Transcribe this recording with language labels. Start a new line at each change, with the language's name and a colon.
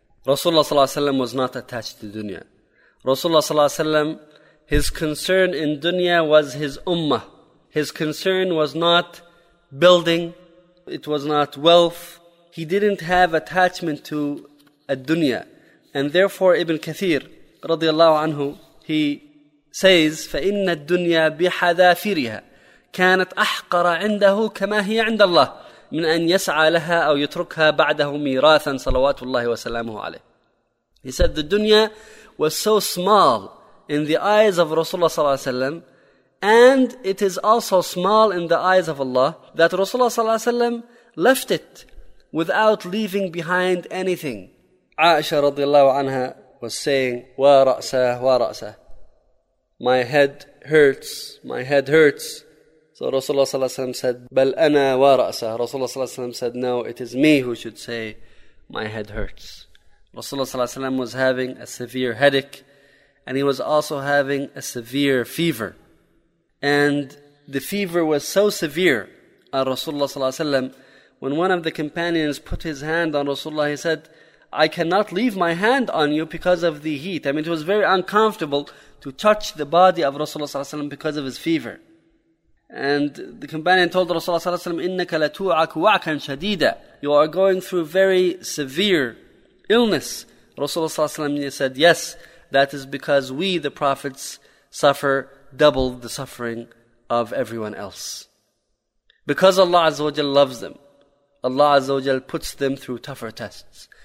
English: Rasulullah ﷺ was not attached to dunya. Rasulullah ﷺ, his concern in dunya was his ummah. His concern was not building, it was not wealth. He didn't have attachment to ad-dunya. And therefore Ibn Kathir radiallahu anhu, he says,
Arabic: فَإِنَّ الدُّنْيَا بِحَذَافِرِهَا كَانَتْ أَحْقَرَ عِنْدَهُ كَمَا هِيَ عِنْدَ اللَّهِ مِنْ أَنْ يَسْعَى لَهَا أَوْ يُتْرُكْهَا بَعْدَهُ مِيرَاثًا صَلَوَاتُ اللَّهِ وَسَلَامُهُ عَلَيْهِ.
English: He said the dunya was so small in the eyes of Rasulullah sallallahu alaihi wasallam, and it is also small in the eyes of Allah, that Rasulullah sallallahu alaihi wasallam left it without leaving behind anything. Aisha radiallahu anha was saying,
Arabic: "Wa ra'sa, wa ra'sa.
English: My head hurts, my head hurts." So Rasulullah sallallahu alaihi wasallam said,
Arabic: "Bal ana wa ra'sa."
English: Rasulullah sallallahu alaihi wasallam said, "No, it is me who should say my head hurts." Rasulullah sallallahu alaihi wasallam was having a severe headache, and he was also having a severe fever. And the fever was so severe on Rasulullah sallallahu alaihi wasallam, when one of the companions put his hand on Rasulullah, he said, "I cannot leave my hand on you because of the heat." I mean, it was very uncomfortable to touch the body of Rasulullah sallallahu alaihi wasallam because of his fever. And the companion told Rasulullah صلى الله عليه وسلم,
Arabic: إِنَّكَ لَتُوعَكُ وَعْكًا شَدِيدًا.
English: You are going through very severe illness. Rasulullah صلى الله عليه وسلم said, yes, that is because we, the prophets, suffer double the suffering of everyone else. Because Allah عز وجل loves them, Allah عز وجل puts them through tougher tests.